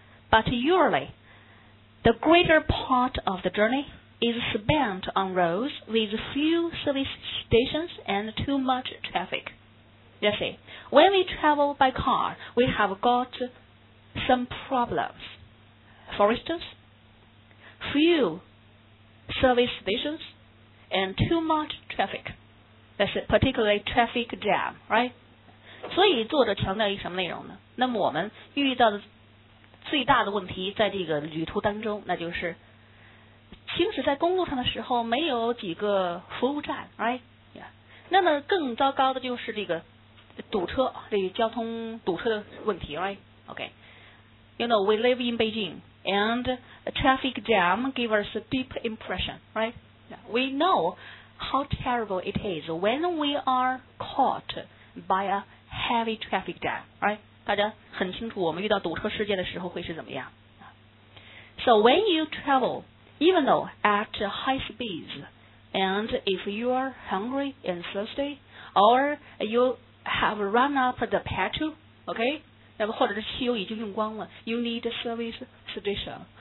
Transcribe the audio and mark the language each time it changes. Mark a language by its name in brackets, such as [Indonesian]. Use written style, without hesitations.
[English] But usually, the greater part of the journey is spent on roads with few service stations and too much traffic. You see, when we travel by car, we have got some problems. For instance, few service stations,and too much traffic. That's particularly traffic jam, right? [Chinese] 所以作者强调一什么内容呢？那么我们遇到的最大的问题在这个旅途当中，那就是行驶在公路上的时候没有几个服务站， right? Yeah. 那么更糟糕的就是这个堵车，这个交通堵车的问题， right? Okay. [English] You know, we live in Beijing, and a traffic jam gives us a deep impression, right? We know how terrible it is when we are caught by a heavy traffic jam, right? [Chinese] 大家很清楚我们遇到堵车事件的时候会是怎么样。 [English] So when you travel, even though at high speeds, and if you are hungry and thirsty, or you have run up the petrol, okay? [Chinese] 那么或者是汽油已经用光了 [English] you need a service station.